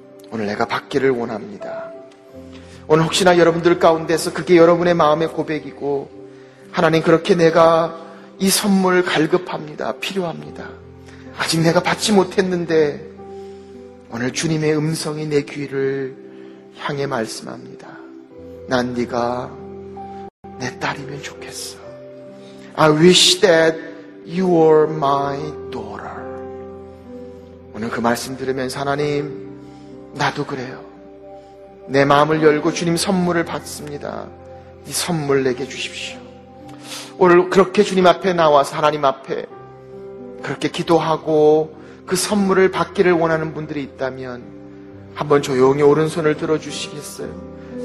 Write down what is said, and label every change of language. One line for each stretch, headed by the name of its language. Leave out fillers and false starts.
Korean: 오늘 내가 받기를 원합니다. 오늘 혹시나 여러분들 가운데서 그게 여러분의 마음의 고백이고 하나님 그렇게 내가 이 선물 갈급합니다. 필요합니다. 아직 내가 받지 못했는데 오늘 주님의 음성이 내 귀를 향해 말씀합니다. 난 네가 내 딸이면 좋겠어.
English: I wish that you are my daughter.
Korean: 오늘 그 말씀 들으면서 하나님 나도 그래요. 내 마음을 열고 주님 선물을 받습니다. 이 선물 내게 주십시오. 오늘 그렇게 주님 앞에 나와서 하나님 앞에 그렇게 기도하고 그 선물을 받기를 원하는 분들이 있다면 한번 조용히 오른손을 들어주시겠어요?